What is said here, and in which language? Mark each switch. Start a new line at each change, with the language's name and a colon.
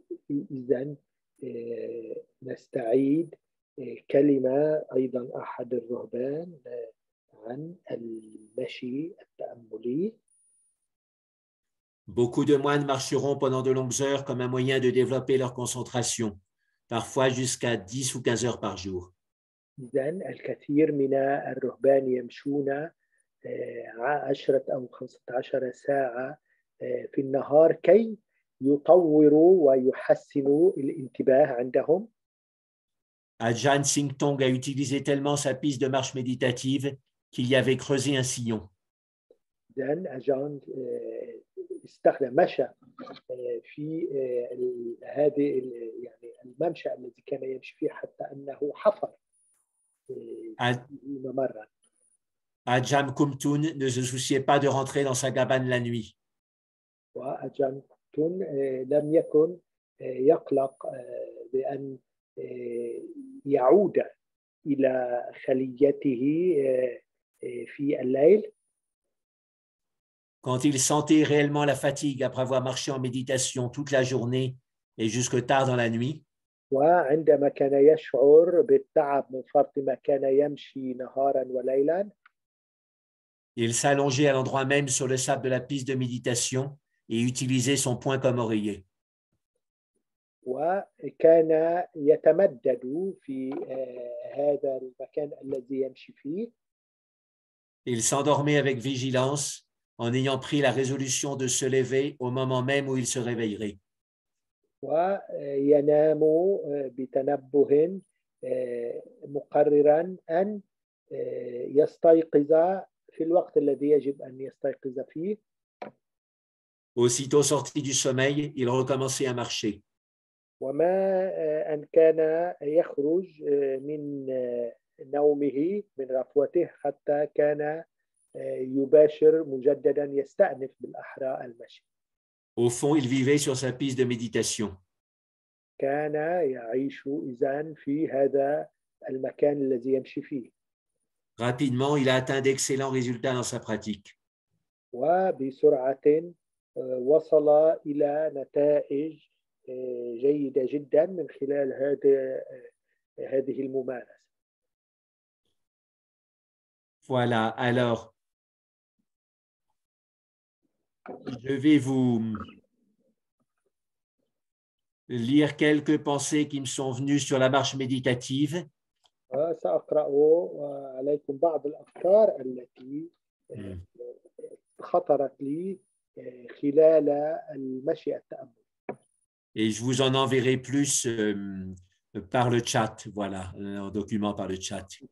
Arabic: وإذاً نستعيد كلمة أيضا أحد الرهبان عن المشي التأملي.
French: Beaucoup de moines marcheront pendant de longues heures comme un moyen de développer leur concentration, parfois jusqu'à 10 ou 15 heures par jour.
Arabic: إذن الكثير من الرهبان يمشون 10 أو 15 ساعة في النهار كي يطوروا ويحسنوا الانتباه عندهم.
French: Ajahn Singh Tong a utilisé tellement sa piste de marche méditative qu'il y avait creusé un sillon.
English: Then
Arabic: Ajahn استخدم مشى في هذه يعني الممشى الذي كان يمشي فيه حتى أنه حفر ممرا.
French: Ajahn Kumtun ne se souciait pas de rentrer dans sa cabane la nuit.
Arabic: و وأجنتون لم يكن يقلق بأن يعود إلى خليته في الليل.
French: Quand il sentait réellement la fatigue après avoir marché en méditation toute la journée et jusque tard dans la nuit,
Arabic: وعندما كان يشعر بالتعب من فرط ما كان يمشي نهارا وليلا,
French: il s'allongeait à l'endroit même sur le sable de la piste de méditation et utilisait son poing comme oreiller.
Arabic: وكان يتمدد في هذا المكان الذي يمشي فيه.
French: Il s'endormait avec vigilance en ayant pris la résolution de se lever au moment même où il se réveillerait.
Arabic: وينام بتنبه مقررا أن يستيقظ في الوقت الذي يجب أن يستيقظ فيه.
French: Aussitôt sorti du sommeil, il recommençait à marcher.
Arabic: وما أن كان يخرج من نومه من غفوته حتى كان يباشر مجددا يستأنف بالأحرى المشي.
French: Au fond, il vivait sur sa piste de méditation.
Arabic: كان يعيش إذن في هذا المكان الذي يمشي فيه.
French: Rapidement, il a atteint d'excellents résultats dans sa pratique.
Arabic: وبسرعة وصل إلى نتائج جيدة جدا من خلال هذه الممارسة.
French: Voilà, alors je vais vous lire quelques pensées qui me sont venues sur la marche méditative.
Arabic: سأقرأ عليكم بعض الأفكار التي خطرت لي خلال المشي التأمل.
French: Et je vous en enverrai plus par le chat, voilà, en document par le chat.